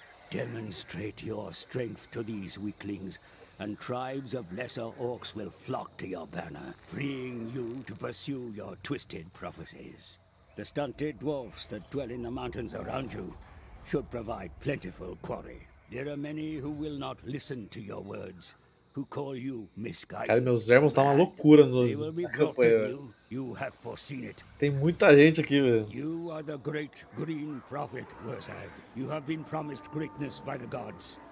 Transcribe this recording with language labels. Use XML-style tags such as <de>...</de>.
<en>Demonstrate your strength to these weaklings, and tribes of lesser orcs will flock to your banner, freeing you to pursue your twisted prophecies. The stunted dwarfs that dwell in the mountains around you should provide plentiful quarry. There are many who will not listen to your words, who call you misguided.</en> <pt>Cara, meus irmãos, tá uma loucura no campanha. Tem muita gente aqui, velho.</pt> <en>You are the great green prophet, Urzeg. You have been promised greatness by the gods.</en>